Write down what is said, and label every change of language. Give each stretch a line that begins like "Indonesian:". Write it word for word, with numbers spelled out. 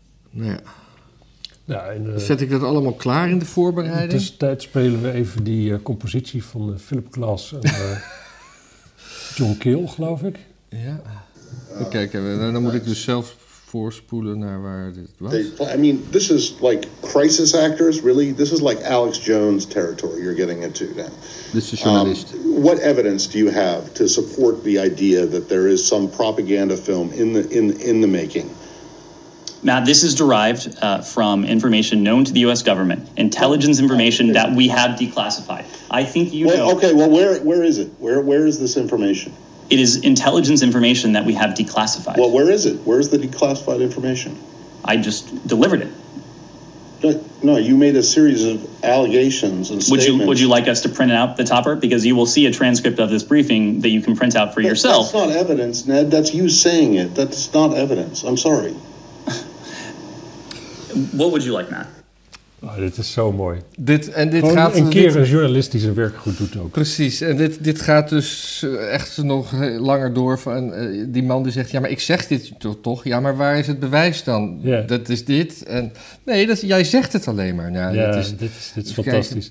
Dutch: Nou ja. Ja, en, uh, zet ik dat allemaal klaar in de voorbereiding? In de tussentijd spelen we even die uh, compositie van uh, Philip Glass en uh, John Cale, geloof ik. Ja. Uh, Kijk, en dan, dan moet ik dus zelf voorspoelen naar waar dit was.
English: They, I mean, this is like crisis actors, really. This is like Alex Jones territory you're getting into now. This is journalist. Um, what evidence do you have to support the idea that there is some propaganda film in the in in the making? Matt, this is derived uh, from information known to the U S government, intelligence information that we have declassified. I think you well, know... Okay, well, where where is it? Where Where is this information? It is intelligence information that we have declassified. Well, where is it? Where's the declassified information? I just delivered it. No, no you made a series of allegations and would statements. You, would you like us to print out the topper? Because you will see a transcript of this briefing that you can print out for that, yourself. That's not evidence, Ned. That's you saying it. That's not evidence. I'm sorry. What would you like, Matt?
Dutch: Oh, dit is zo mooi. Dit, en dit Gewoon gaat, een keer dit, een journalist die zijn werk goed doet ook. Precies, en dit, dit gaat dus echt nog langer door. Van, uh, die man die zegt, ja, maar ik zeg dit toch? Ja, maar waar is het bewijs dan?
English: Yeah.
Dutch: Dat is dit. En, nee, dat, jij zegt het alleen maar. Nou, ja, dat is, dit is, dit is fantastisch.